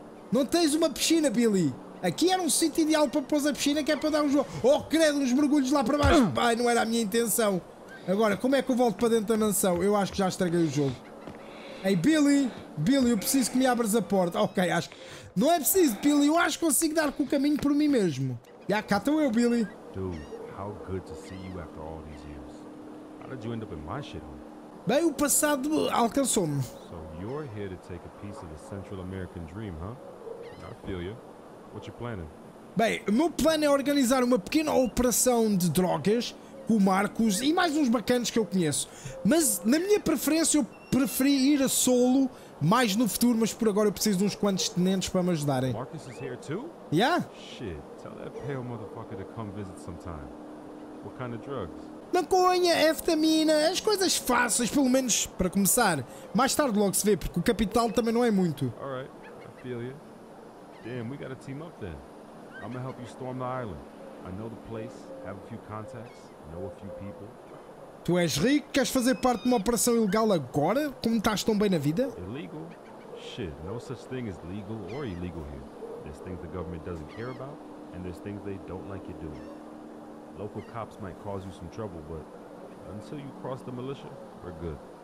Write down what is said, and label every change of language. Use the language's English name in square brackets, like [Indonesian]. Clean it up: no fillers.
[Portuguese] Não tens uma piscina, Billy. Aqui era um sítio ideal para pôr a piscina, que é para dar uns... Oh, credo, uns mergulhos lá para baixo. Ai, não era a minha intenção. Agora, como é que eu volto para dentro da mansão? Eu acho que já estraguei o jogo. Ei, Billy, eu preciso que me abras a porta. Ok, acho que... Não é preciso, Billy. Eu acho que consigo dar com o caminho por mim mesmo. E yeah, cá estou eu, Billy. [English] Dude, how good to see you after all these years. How did you end up in my shit home? [Portuguese] Bem, o passado alcançou-me. [English] So you're here to take a piece of the Central American dream, huh? I feel you. What's your plan? [Portuguese] Bem, o meu plano é organizar uma pequena operação de drogas com o Marcos e mais uns bacanas que eu conheço. Mas na minha preferência, eu preferi ir a solo. Mais no futuro, mas por agora eu preciso de uns quantos tenentes para me ajudarem. [English] Marcus is here too? Yeah? Shit, tell that pale motherfucker to come visit sometime. What kind of drugs? [Portuguese] Maconha, anfetamina, as coisas fáceis, pelo menos para começar. Mais tarde logo se vê, porque o capital também não é muito. [English] Alright, I feel you. Damn, we gotta team up then. I'm gonna help you storm the island. I know the place, have a few contacts, know a few people. [Portuguese] Tu és rico? Queres fazer parte de uma operação ilegal agora? Como estás tão bem na vida? [English] Illegal? Shit, no such thing as legal or illegal here. There's things the government doesn't care about, and there's things they don't like you doing. Local cops might cause you some trouble, but until you cross the militia, we're good.